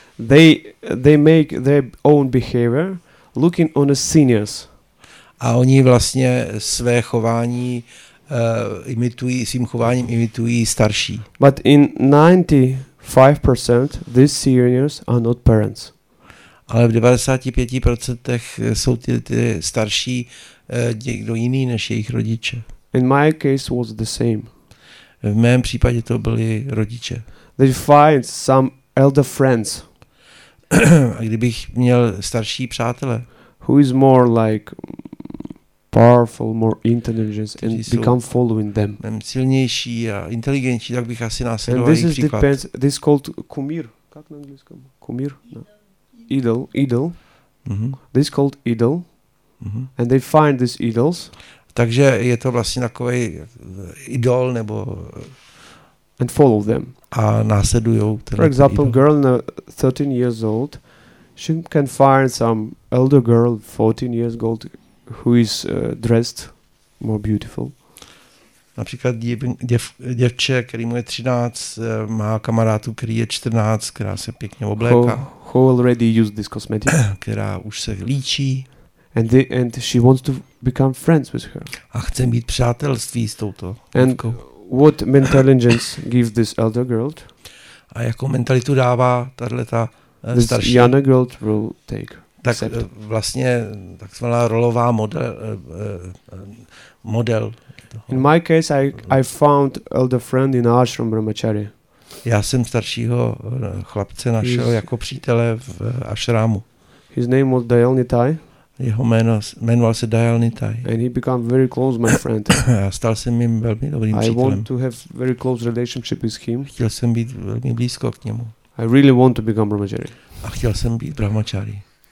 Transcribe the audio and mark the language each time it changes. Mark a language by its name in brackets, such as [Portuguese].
[English] They make their own behavior looking on the seniors. [Czech] A oni vlastně své chování imitují starší. [English] But in 95% these seniors are not parents. [Czech] Ale v 95% jsou ty starší někdo jiný než jejich rodiče. [English] In my case was the same. [Czech] V mém případě to byli rodiče. [English] They find some elder friends. [Czech] A kdybych měl starší přátele. [English] Who is more like powerful, more intelligent, and become following them. [Czech] Jsem silnější a inteligentnější, tak bych asi následoval jejich příklad. [English] This is called kumir. [Czech] Jak na anglickém? [English] Kumir? No. Idol. Mm-hmm. This is called idol. Mm-hmm. And they find these idols. [Czech] Takže je to vlastně takovej idol nebo... [English] And follow them. [Czech] A následujou ten idol. [English] For example, girl 13 years old, she can find some elder girl 14 years old who is dressed more beautiful. [Czech] Například děvče, který mu je 13, má kamarádu, který je 14, která se pěkně obléká. [English] Who already used this cosmetic? [Czech] Která už se líčí. [English] And she wants to become friends with her. [Czech] A chce mít přátelství s touto. [English] And what intelligence gives this elder girl? [Czech] A jakou mentalitu dává tahle ta starší? [English] This younger girl will take. [Czech] Tak vlastně takzvaná rolová model. [English] In my case, I found elder friend in ashram brahmachari. [Czech] Já jsem staršího chlapce našel jako přítele v ashramu. [English] His name was Dayal Nitai. [Czech] Jeho jmenoval se Dayal Nitai. [English] And he became very close my friend. [Czech] Stal jsem jim velmi dobrým přítelem. [English] I want to have very close relationship with him. [Czech] Chtěl jsem být velmi blízko k němu. [English] I really want to become brahmachari. [Czech] A chtěl jsem být brahmachari.